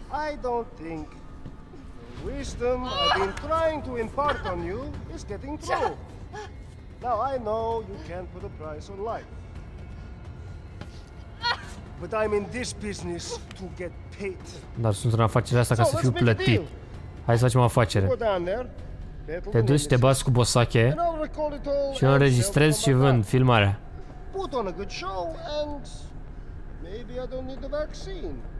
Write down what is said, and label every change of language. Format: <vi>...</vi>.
<en>I don't think the wisdom I've been trying to impart on you is getting through. Now I know you can't put a price on life. But I'm in this business to get paid.</en> <ro>Dar sunt în afacerea asta ca să fiu plătit. Hai să facem o afacere. Te duci, te bați cu Bosache și înregistrezi și vând filmarea.</ro> <en>Put on a good show and maybe I don't need the vaccine.</en>